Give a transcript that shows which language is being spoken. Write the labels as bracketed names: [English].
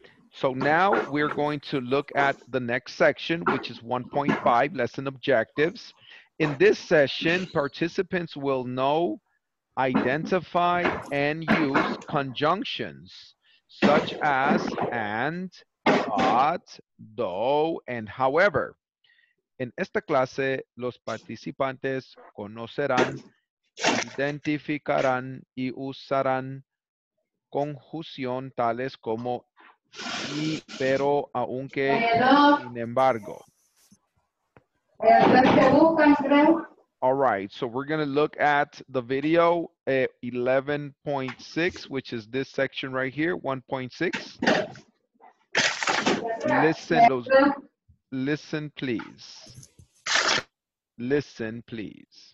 [English] So now we're going to look at the next section, which is 1.5, lesson objectives. In this session, participants will know, identify, and use conjunctions such as and, but, though, and however. [Spanish] En esta clase, los participantes conocerán, identificarán, y usarán conjunción tales como y, pero, aunque, sin embargo. [English] All right, so we're going to look at the video 11.6, which is this section right here, 1.6. Listen, please.